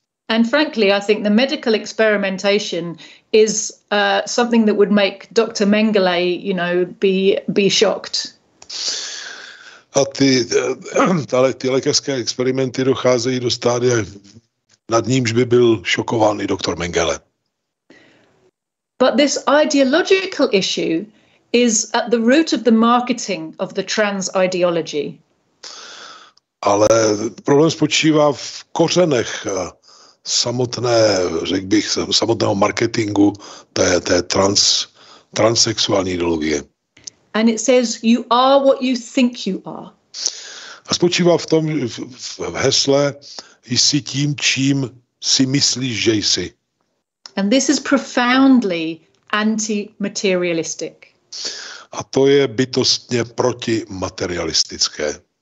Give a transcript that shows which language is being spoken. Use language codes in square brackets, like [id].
[en] And frankly, I think the medical experimentation is something that would make Dr. Mengele, you know, be shocked. [cs] A ty lékařské experimenty docházejí do stádia, nad nímž by byl šokován i doktor Mengele. [en] But this ideological issue is at the root of the marketing of the trans ideology. [cs] Ale problém spočívá v kořenech samotné, řekl bych, samotného marketingu té transsexuální ideologie. [en] And it says you are what you think you are. [cs] A spočívá v tom v hesle jsi tím, čím si myslíš, že jsi. [en] And this is profoundly anti-materialistic. [cs] A to je bytostně protimaterialistické.